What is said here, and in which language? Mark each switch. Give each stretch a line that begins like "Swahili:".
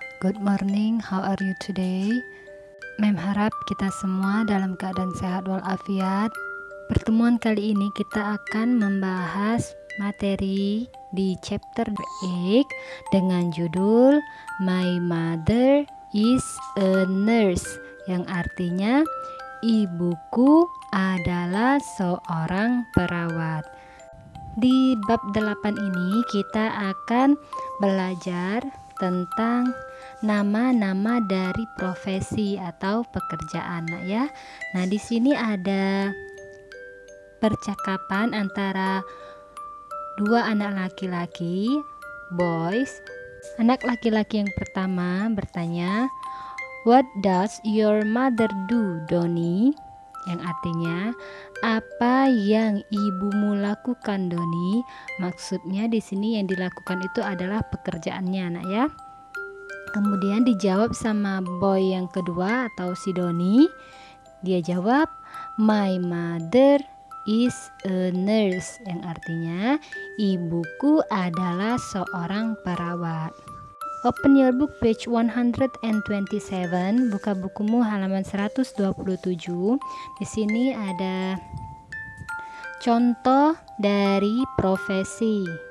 English: Good morning, how are you today?
Indonesian: Mem harap kita semua dalam keadaan sehat walafiat. Pertemuan kali ini kita akan membahas materi di chapter 8 dengan judul
English: My Mother is a Nurse,
Indonesian: yang artinya ibuku adalah seorang perawat. Di bab 8 ini kita akan belajar tentang nama-nama dari profesi atau pekerjaan, ya. Nah, di sini ada percakapan antara dua anak laki-laki, boys. Anak laki-laki yang pertama bertanya,
English: "What does your mother do, Doni?"
Indonesian: Yang artinya, apa yang ibumu lakukan, Doni? Maksudnya di sini yang dilakukan itu adalah pekerjaannya, nak ya. Kemudian dijawab sama boy yang kedua atau si Doni. Dia jawab,
English: "My mother is a nurse."
Indonesian: Yang artinya, ibuku adalah seorang perawat.
English: Open your book page 127.
Indonesian: Buka bukumu halaman 127. Di sini ada contoh dari profesi.